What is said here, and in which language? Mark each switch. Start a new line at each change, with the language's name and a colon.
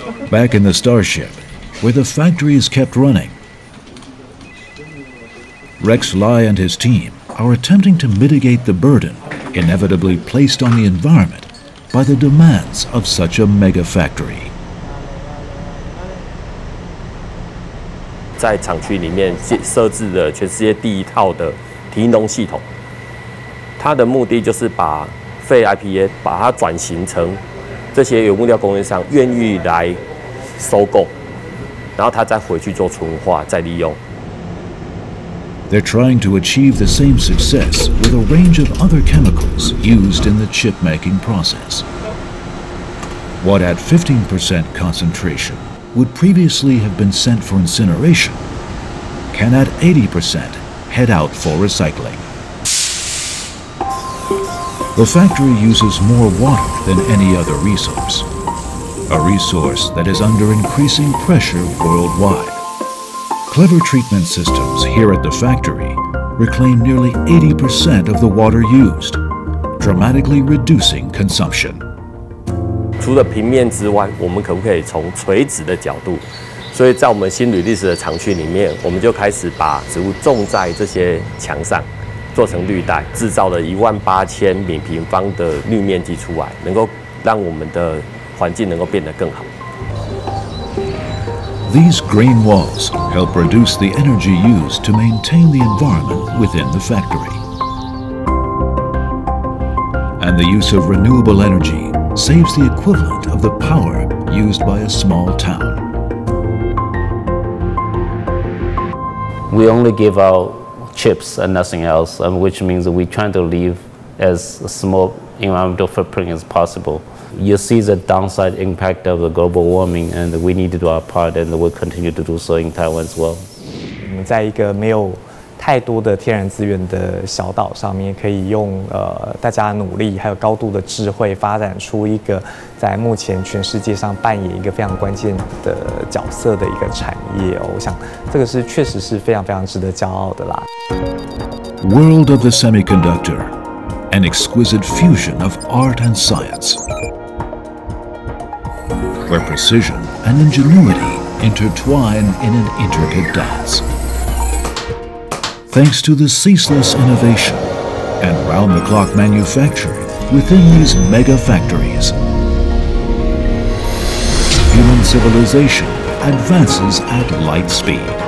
English: Back in the starship, where the factory is kept running, Rex Lai and his team are attempting to mitigate the burden inevitably placed on the environment by the demands of such a mega factory.
Chinese: 在厂区里面设置的全世界第一套的提能系统，它的目的就是把废IPA把它转型成这些原物料供应商愿意来 收购，然后他再回去做纯化，再利用。
English: They're trying to achieve the same success with a range of other chemicals used in the chip making process. What at 15% concentration would previously have been sent for incineration can at 80% head out for recycling. The factory uses more water than any other resource, a resource that is under increasing pressure worldwide. Clever treatment systems here at the factory reclaim nearly 80% of the water used, dramatically reducing consumption.
Chinese: 除了平面之外，我们可不可以从垂直的角度？所以在我们新履历史的厂区里面，我们就开始把植物种在这些墙上，做成绿带，制造了18000米平方的绿面积出来，能够让我们的环境能够变得更好。
English: These green walls help reduce the energy used to maintain the environment within the factory. And the use of renewable energy saves the equivalent of the power used by a small town. We only give out chips and nothing else, which means that we're trying to leave as small environmental footprint as possible. You see the downside impact of the global warming, and we need to do our part, and we'll continue to do so in Taiwan as well.
Chinese: 我们在一个没有太多的天然资源的小岛上面，可以用大家努力还有高度的智慧，发展出一个在目前全世界上扮演一个非常关键的角色的一个产业哦。我想这个是确实是非常非常值得骄傲的啦。
English: World of the semiconductor, an exquisite fusion of art and science. Where precision and ingenuity intertwine in an intricate dance. Thanks to the ceaseless innovation and round-the-clock manufacturing within these mega factories, human civilization advances at light speed.